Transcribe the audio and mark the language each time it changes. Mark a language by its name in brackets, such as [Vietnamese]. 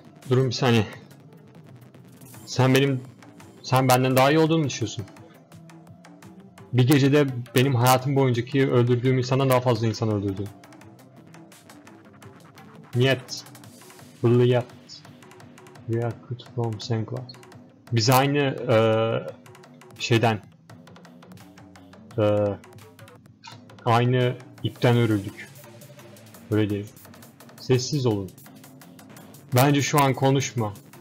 [Turkish] Durun bir saniye. Sen benden daha iyi olduğunu mu düşünüyorsun? Bir gecede benim hayatım boyuncaki öldürdüğüm insandan daha fazla insan öldürdü. Niyet. Hılıyat. [English] We are cut from same cloth. [Turkish] Biz aynı şeyden aynı ipten örüldük. Öyle değil. Sessiz olun. Bence şu an konuşma.